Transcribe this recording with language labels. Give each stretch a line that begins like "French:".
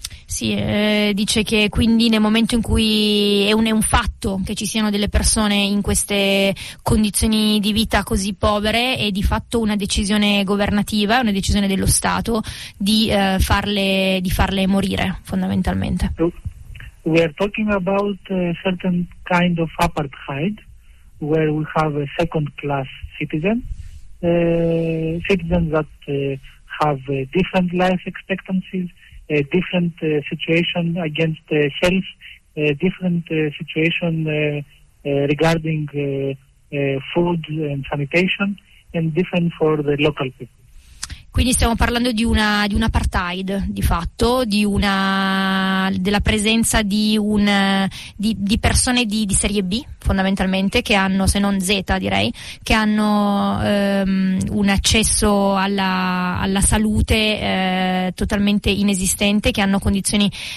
Italian: Sì, dice che quindi nel momento in cui è un fatto che ci siano delle persone in queste condizioni di vita così povere, è di fatto una decisione governativa, una decisione dello Stato di farle morire fondamentalmente.
English: We are talking about a certain kind of apartheid where we have a second class citizens that have different life expectancies, a different situation against health, different situation regarding food and sanitation, and different for the local people.
Italian: Quindi stiamo parlando di un apartheid, di fatto, della presenza di persone di serie B, fondamentalmente, che hanno, se non Z direi, che hanno un accesso alla salute totalmente inesistente, che hanno condizioni